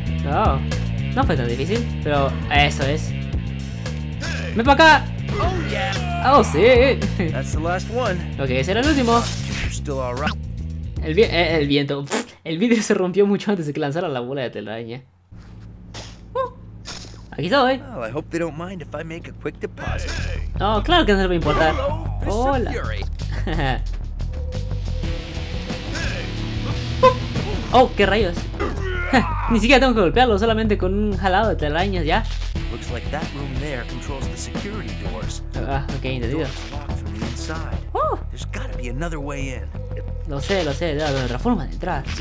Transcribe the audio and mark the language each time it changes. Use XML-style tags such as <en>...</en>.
<es>¡Oh! No fue tan difícil, pero eso es. ¡Ven para acá! ¡Oh, sí! Ok, ese era el último. El viento. El vidrio se rompió mucho antes de que lanzara la bola de telaraña. Aquí estoy.</es> <en>Oh, I hope they don't mind if I make a quick deposit.</en> <es>Oh, claro que no le va a importar. Hola. Oh, qué rayos. Ni siquiera tengo que golpearlo, solamente con un jalado de telarañas ya.</es> <en>Looks like that room there controls the security doors.</en> <es>Okay, entendido.</es> <en>There's gotta be another way in.</en> <es>Lo sé, debe haber otra forma de entrar.</es>